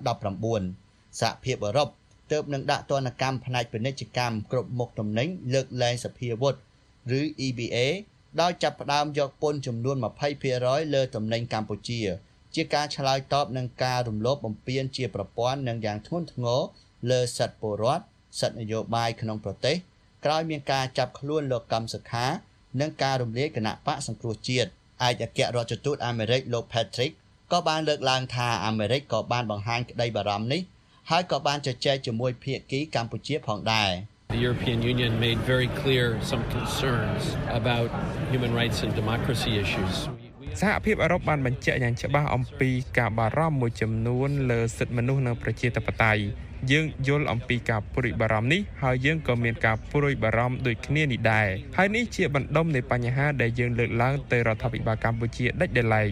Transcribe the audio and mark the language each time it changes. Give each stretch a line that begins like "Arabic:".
Khmer: 2019សហភាពអឺរ៉ុបទើបនឹងដាក់ទណ្ឌកម្មផ្នែកពាណិជ្ជកម្មគ្រប់មុខទំនិញលើកលែងសភាវុធឬ EBA ដោយចាប់ផ្ដើមយកពន្ធចំនួន 20% លើទំនិញកម្ពុជាជាការឆ្លើយតបនឹងការរំលោភបំពានជាប្រព័ន្ធនិងយ៉ាងធ្ងន់ធ្ងរលើសិទ្ធិពលរដ្ឋសិទ្ធិនយោបាយក្នុងប្រទេសក្រោយមានការចាប់ខ្លួនលោកកម្មសុខានិងការរំលាយគណៈបកសង្គ្រោះជាតិឯកអគ្គរដ្ឋទូតអាមេរិកលោក Patrick ក៏បានលើកឡើងថាអាមេរិកក៏បានបង្ហាញក្តីបារម្ភនេះហើយក៏បានជជែកជាមួយភាគីកម្ពុជាផងដែរ
English: The European Union made very clear some concerns about human rights and democracy issues.
Khmer: សហភាពអឺរ៉ុបបានបញ្ជាក់យ៉ាងច្បាស់អំពីការបារម្ភមួយចំនួនលើសិទ្ធិមនុស្សនិងប្រជាធិបតេយ្យយើងយល់អំពីការព្រួយបារម្ភនេះហើយយើងក៏មានការព្រួយបារម្ភដូចគ្នានេះដែរហើយនេះជាបណ្ដុំនៃបញ្ហាដែលយើងលើកឡើងទៅរដ្ឋាភិបាលកម្ពុជាដាច់ដលែក